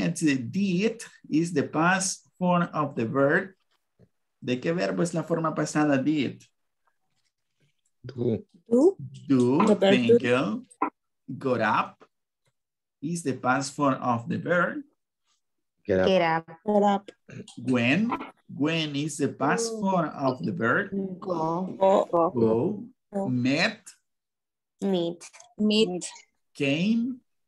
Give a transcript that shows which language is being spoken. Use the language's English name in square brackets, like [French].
[English] And so did is the past form of the verb. [Spanish] ¿De qué verbo es la forma pasada did? [English] Do. Thank you. Got up is the past form of the verb. Get up. When is the past form of the verb? Go. Meet. Came.